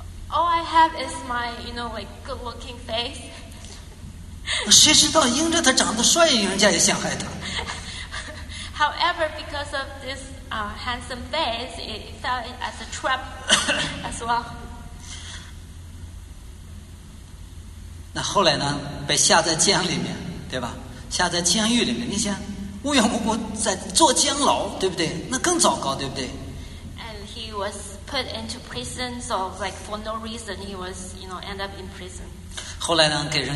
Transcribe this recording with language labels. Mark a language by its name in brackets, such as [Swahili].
[English] All I have is my, you know, like good-looking face. [Chinese] 谁知道因着他长得帅，人家也陷害他。 [English] However, because of this handsome face, it fell as a trap as well. [Chinese] 那后来呢？被下在监里面，对吧？下在监狱里面，你想无缘无故在坐监牢，对不对？那更糟糕，对不对？ [English] He was put into prison, so like for no reason, he was, you know, end up in prison.